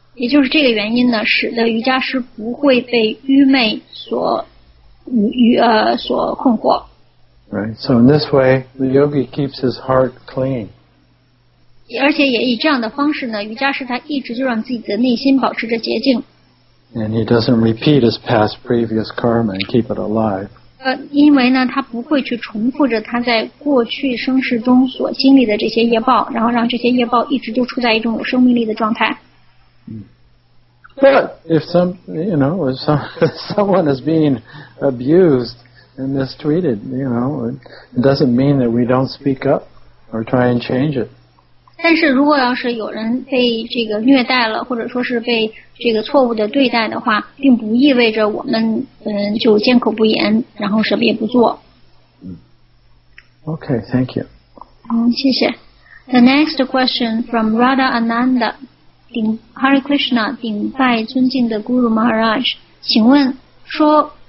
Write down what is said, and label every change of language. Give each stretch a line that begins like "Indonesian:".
Chinese: 也就是这个原因呢，使得瑜伽师不会被愚昧所困惑。
English: Right. So in this way, the yogi keeps his heart clean.
Chinese: 而且也以这样的方式呢，瑜伽师他一直就让自己的内心保持着洁净。
English: And he doesn't repeat his past previous karma and keep it alive.
Chinese: 因为呢，他不会去重复着他在过去生世中所经历的这些业报，然后让这些业报一直都处在一种有生命力的状态。
English: But if someone is being abused. And mistreated, you know, it doesn't mean that we don't speak up or try and change it.
Chinese: 但是如果要是有人被这个虐待了，或者说是被这个错误的对待的话，并不意味着我们就缄口不言，然后什么也不做。
English: Okay, thank you.
Chinese: 谢谢。
English: The next question from
Chinese: Radha Ananda, Hare Krishna, 顶拜尊敬的 Guru Maharaj, 请问说。